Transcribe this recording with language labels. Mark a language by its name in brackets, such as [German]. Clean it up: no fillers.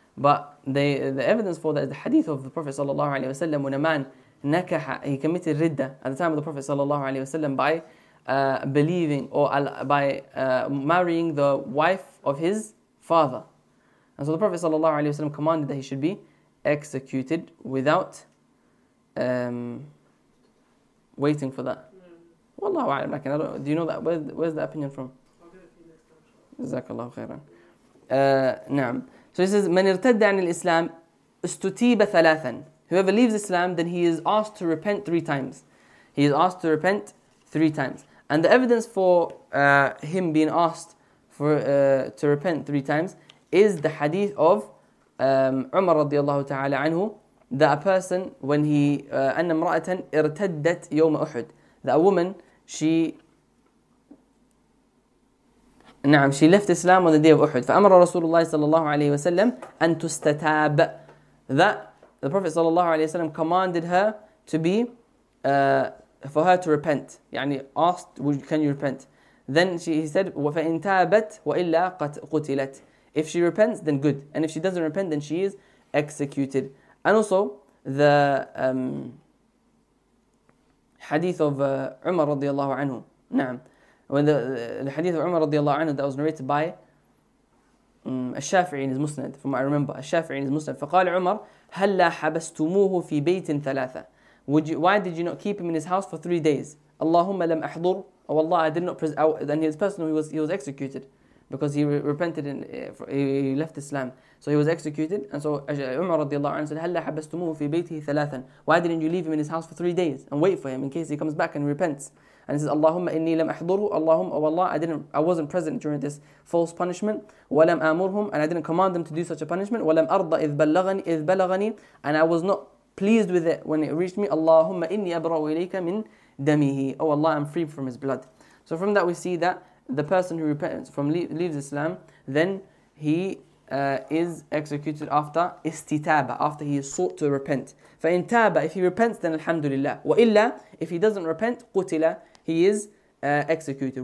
[English] But the evidence for that is the hadith of the Prophet sallallahu alaihi wasallam, when a man nakaha, he committed ridda at the time of the Prophet sallallahu alaihi wasallam by believing or by marrying the wife of his father. And so the Prophet sallallahu alaihi wasallam commanded that he should be executed without waiting for that. Wallahu a'lam. Do you know that? Where's the opinion from? Jazakallahu khairan. Naam. So he says, [Arabic] من ارتد عن الإسلام استتيب ثلاثا. [English] Whoever leaves Islam, then he is asked to repent three times. He is asked to repent three times. And the evidence for him being asked for to repent three times is the hadith of Umar radiallahu ta'ala anhu, that a person, when he, [Arabic] أن امرأة ارتدت يوم أحد, [English] that a woman, she left Islam on the day of Uhud. [Arabic] فأمر رسول الله صلى الله عليه وسلم أن تستتاب, [English] that the Prophet صلى الله عليه وسلم commanded her to be for her to repent. يعني asked, can you repent? Then he said, [Arabic] وَفَإِن تَابَتْ وَإِلَّا قُتِلَتْ. [English] If she repents, then good. And if she doesn't repent, then she is executed. And also the hadith of Umar radiallahu anhu. [Arabic] نعم. [English] When the hadith of Umar radiallahu anhu that was narrated by Al-Shafi'i in his Musnad, from what I remember, Al-Shafi'i in his Musnad. [Arabic] فَقَالَ عُمَرْ هَلَّا حَبَسْتُمُوهُ فِي بَيْتٍ ثَلَاثَةً. [English] Would you, why did you not keep him in his house for 3 days? [Arabic] اللهم لم أحضر. [English] Oh Allah, I did not present. And his person, he was executed because he repented and he left Islam. So he was executed. And so Umar radiallahu anhu said, [Arabic] هَلَّا حَبَسْتُمُوهُ فِي بَيْتِهِ ثَلَاثًا. [English] Why didn't you leave him in his house for 3 days and wait for him in case he comes back and repents? And he says, [Arabic] اللهم إني لم أحضره. [English] اللهم, oh Allah, I wasn't present during this false punishment. [Arabic] وَلَمْ أَمُرْهُمْ. [English] And I didn't command them to do such a punishment. [Arabic] وَلَمْ أَرْضَ إِذْ بَلَغَنِي. [English] And I was not pleased with it when it reached me. [Arabic] اللهم إني أبرأ إليك من دمه. [English] Oh Allah, I'm free from his blood. So from that we see that the person who repents from leaves Islam, then he is executed after istitaba, after he is sought to repent. [Arabic] فَإِن تَابَ, [English] if he repents, then alhamdulillah. [Arabic] وَإِلَّا, [English] if he doesn't repent, [Arabic] قُتِلَ, [English] he is executed.